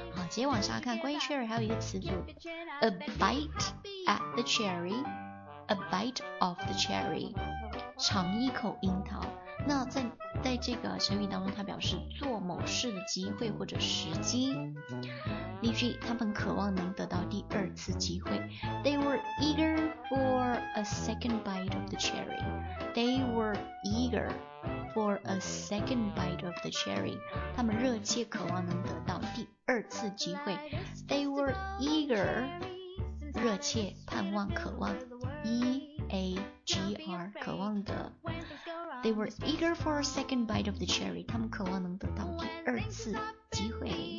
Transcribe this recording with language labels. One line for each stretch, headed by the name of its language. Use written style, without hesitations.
Chinese: 直接往下看，关于 cherry 还有一个词组
English: a bite at the cherry， a bite of the cherry，
Chinese: 尝一口樱桃。那在这个成语当中，它表示做某事的机会或者时机。例句，他们渴望能得到第二次机会。
English: They were eager for a second bite of the cherry. They were eager for a second bite of the cherry.
Chinese: 他们热切渴望能得到第二次机会。
English: They were eager
Chinese: 热切盼望渴望
English: E-A-G-R
Chinese: 渴望的。
English: They were eager for a second bite of the cherry.
Chinese: 他们渴望能得到第二次机会。